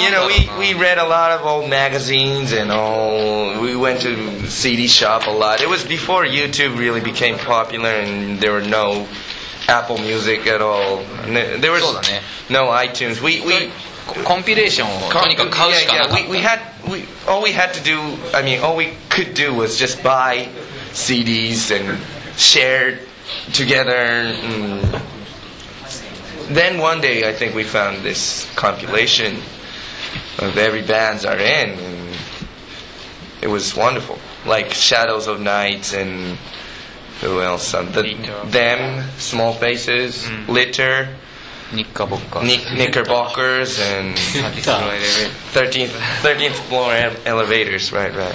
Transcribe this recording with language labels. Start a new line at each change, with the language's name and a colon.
English: You know, we read a lot of old magazines and all. We went to CD shop a lot. It was before YouTube really became popular and there were no Apple Music at all. There was no iTunes. We.
Japanese: コンピレーションをとにかく買うしかなかった。
English: all we had to do, I mean, all we could do was just buy CDs and share together. Then one day I think we found this compilation of every bands are in, and it was wonderful, like Shadows of Night and who else, Them, Small Faces, Litter,Knickerbockers and 13th floor elevators, right.